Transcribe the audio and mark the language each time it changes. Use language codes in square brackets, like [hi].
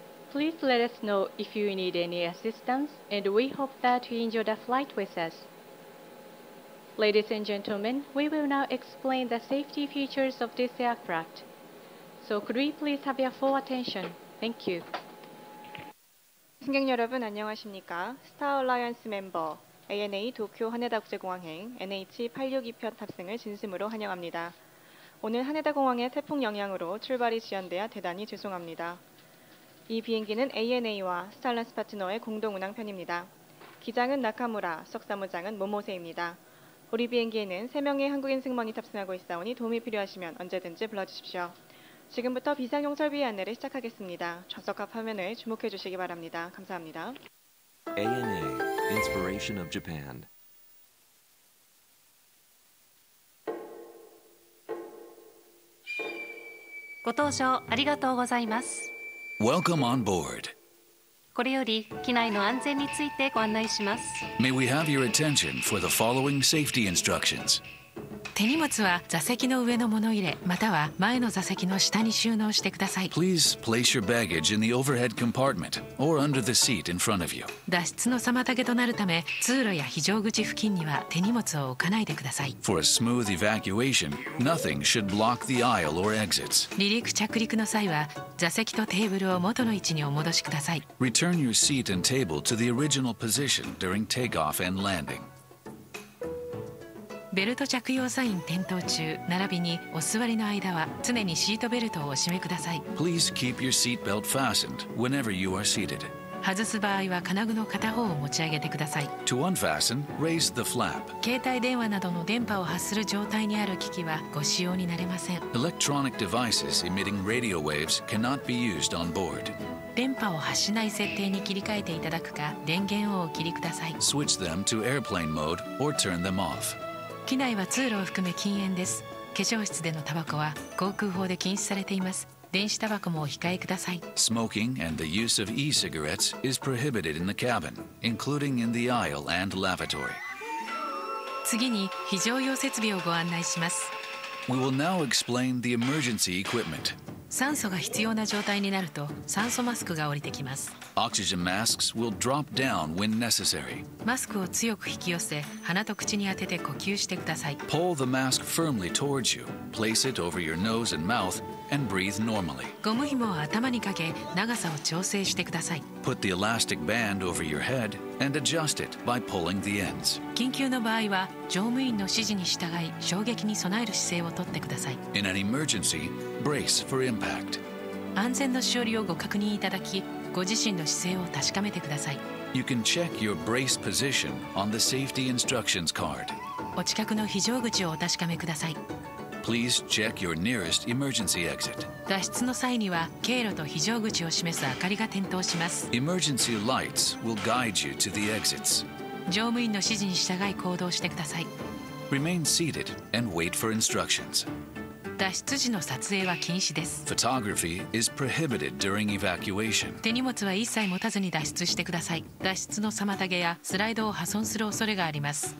[en] Please let us know if you need any assistance, and we hope that you enjoy the flight with us. Ladies and gentlemen, we will now explain the safety features of this aircraft. So could we please have your full attention? Thank you. [ko] 승객 여러분, 안녕하십니까? 스타 얼라이언스 멤버 ANA 도쿄 하네다 국제공항행 NH862편 탑승을 진심으로 환영합니다. 오늘 하네다 공항의 태풍 영향으로 출발이 지연되어 대단히 죄송합니다. 이 비행기는 ANA와 스타 얼라이언스 파트너의 공동 운항 편입니다. 기장은 나카무라, 석사무장은 모모세입니다. 우리 비행기에는 3명의 한국인 승무원이 탑승하고 있어 오니 도움이 필요하시면 언제든지 불러주십시오. 지금부터 비상용 설비의 안내를 시작하겠습니다. 좌석 앞 화면을 주목해 주시기 바랍니다. 감사합니다. [en] ANA, Inspiration of Japan. [ja] ご搭乗ありがとうございます。 [en] Welcome on board. [ja] これより機内の安全についてご案内します。 [en] May we have your attention for the following safety instructions. [ja] 手荷物は座席の上の物入れまたは前の座席の下に収納してください。 [en] Please place your baggage in the overhead compartment or under the seat in front of you. [ja] 脱出の妨げとなるため通路や非常口付近には手荷物を置かないでください。 [en] For a smooth evacuation, nothing should block the aisle or exits. [ja] 離陸着陸の際は座席とテーブルを元の位置にお戻しください。 [en] Return your seat and table to the original position during takeoff and landing. [ja] ベルト着用サイン点灯中並びにお座りの間は常にシートベルトをお締めください。 [en] Please keep your seat belt fastened whenever you are seated. [ja] 外す場合は金具の片方を持ち上げてください。 [en] To unfasten, raise the flap. [ja] 携帯電話などの電波を発する状態にある機器はご使用になれません。 [en] Electronic devices emitting radio waves cannot be used on board. [ja] 電波を発しない設定に切り替えていただくか電源をお切りください。 [en] Switch them to airplane mode or turn them off. [ja] 機内は通路を含め禁煙です。化粧室でのタバコは航空法で禁止されています。電子タバコもお控えください。 [en] Smoking and the use of e-cigarettes is prohibited in the cabin, including in the aisle and lavatory. [ja] 次に非常用設備をご案内します。 [en] We will now explain the emergency equipment. [ja] 酸素が必要な状態になると酸素マスクが降りてきます。 [en] Oxygen masks will drop down when necessary. [ja] マスクを強く引き寄せ、鼻と口に当てて呼吸してください。 [en] Pull the mask firmly towards you. Place it over your nose and mouth and breathe normally. [ja] ゴム紐を頭にかけ、長さを調整してください。 [en] Put the elastic band over your head and adjust it by pulling the ends. [ja] 緊急の場合は、乗務員の指示に従い、衝撃に備える姿勢をとってください。 [en] In an emergency, brace for impact. [ja] 安全のしおりをご確認いただき、ご自身の姿勢を確かめてください。 [en] You can check your brace position on the safety instructions card. [ja] お近くの非常口をお確かめください。 [en] Please check your nearest emergency exit. [ja] 脱出の際には経路と非常口を示す明かりが点灯します。 [en] Emergency lights will guide you to the exits. [ja] 乗務員の指示に従い行動してください。 [en] Remain seated and wait for instructions. [ja] 脱出時の撮影は禁止です。 [en] Photography is prohibited during evacuation. [ja] 手荷物は一切持たずに脱出してください。脱出の妨げやスライドを破損する恐れがあります。